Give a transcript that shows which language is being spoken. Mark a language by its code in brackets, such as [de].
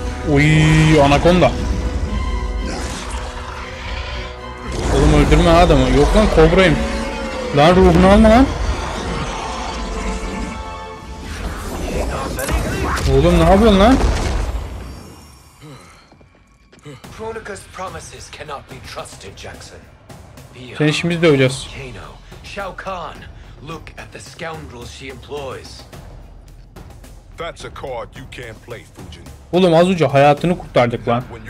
[tr] Uy anakonda. Oğlum öldürme adamı. Yok lan kobrayım. Lan ruhunu alma lan. Oğlum ne yapıyorsun lan? [en] Kronika's promises cannot be trusted, Jackson. [tr] Seni şimdi döveceğiz. [en] Kano, Shao Kahn, look at the scoundrels she employs. That's a card you can't play, Fujin. [tr] Oğlum az önce hayatını kurtardık lan.